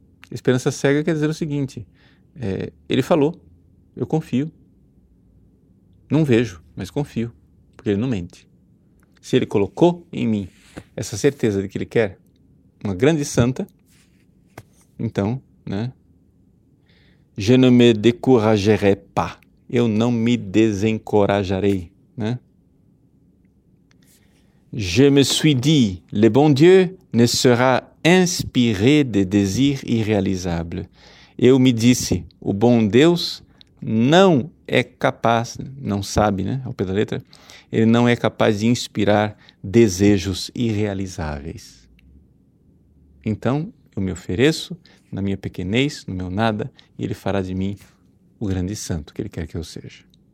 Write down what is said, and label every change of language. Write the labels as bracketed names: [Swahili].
[Portuguese] Esperança cega quer dizer o seguinte, ele falou, eu confio, não vejo, mas confio, porque ele não mente. Se ele colocou em mim essa certeza de que ele quer uma grande santa, então, né, [French] je ne me découragerai pas, [Portuguese] eu não me desencorajarei. Né? [French] Je me suis dit, le bon Dieu ne sera inspiré de désirs irréalisables. [Portuguese] Eu me disse, o bom Deus não é capaz, não sabe, né? Ao pé da letra, ele não é capaz de inspirar desejos irrealizáveis. Então, eu me ofereço na minha pequenez, no meu nada, e ele fará de mim o grande santo que ele quer que eu seja.